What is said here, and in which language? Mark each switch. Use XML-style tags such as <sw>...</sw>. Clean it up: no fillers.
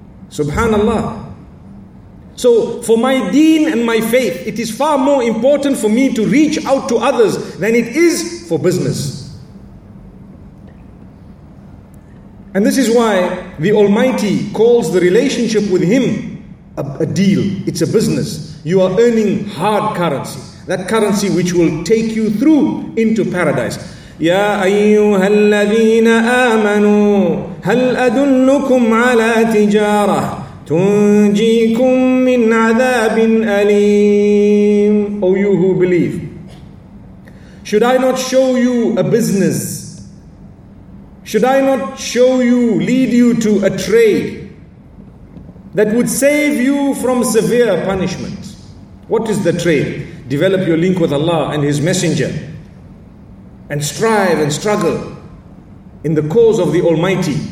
<en>Subhanallah. So for my deen and my faith, it is far more important for me to reach out to others than it is for business. And this is why the Almighty calls the relationship with Him a deal. It's a business. You are earning hard currency. That currency which will take you through into paradise.</en> <ar>يَا أَيُّهَا الَّذِينَ آمَنُوا هَلْ أَدُلُّكُمْ عَلَىٰ تِجَارَةٍ تُنْجِيكُمْ مِنْ عَذَابٍ أَلِيمٍ</ar> <en>O you who believe, should I not show you a business? Should I not show you, lead you to a trade that would save you from severe punishment? What is the trade? Develop your link with Allah and His Messenger and strive and struggle in the cause of the Almighty.</en>